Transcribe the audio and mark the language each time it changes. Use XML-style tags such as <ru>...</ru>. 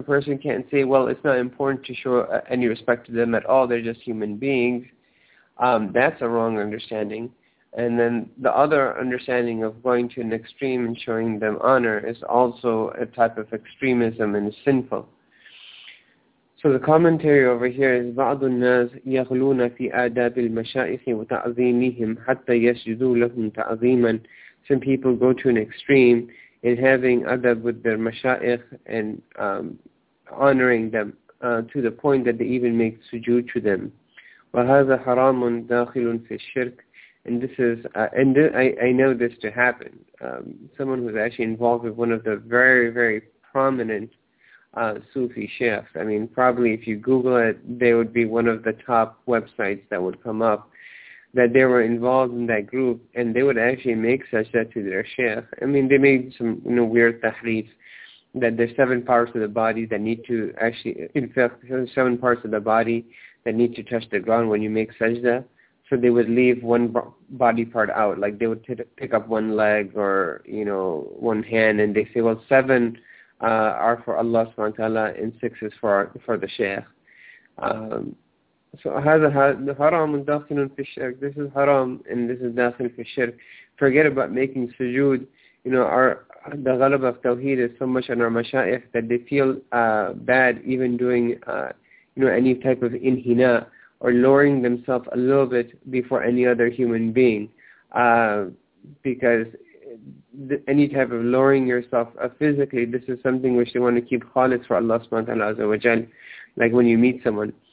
<en>A person can't say, well, it's not important to show any respect to them at all, they're just human beings. That's a wrong understanding. And then the other understanding of going to an extreme and showing them honor is also a type of extremism and is sinful. So the commentary over here is,</en> <ar>بعض الناس يغلون في آداب المشائخ وتعظيمهم حتى يسجدوا لهم تعظيما.</ar> <en>Some people go to an extreme in having adab with their mashayikh and honoring them to the point that they even make sujood to them.</en> <ar>وَهَذَا حَرَامٌ دَاخِلٌ فِي الشِّرْكِ.</ar> <en>And this is, I know this to happen. Someone who's actually involved with one of the very, very prominent Sufi sheikhs. I mean, probably if you Google it, they would be one of the top websites that would come up. That they were involved in that group, and they would actually make sajda to their sheikh. I mean, they made some weird tahreefs, that there's seven parts of the body that need to actually, in fact, seven parts of the body that need to touch the ground when you make sajda. So they would leave one body part out, like they would pick up one leg or, one hand, and they say, well, seven are for Allah subhanahu wa ta'ala, and six is for the sheikh.</en> <ar>So هذا حرام داخل في الشرك.</ar> <en>This is haram and this is</en> <ar>داخل في الشرك.</ar> <en>Forget about making sujood. The ghalab of tawheed is so much on our mashayikh that they feel bad even doing any type of inhina or lowering themselves a little bit before any other human being, because any type of lowering yourself physically, this is something which they want to keep khalis for Allah subhanahu wa ta'ala azza wa jal, like when you meet someone.</en>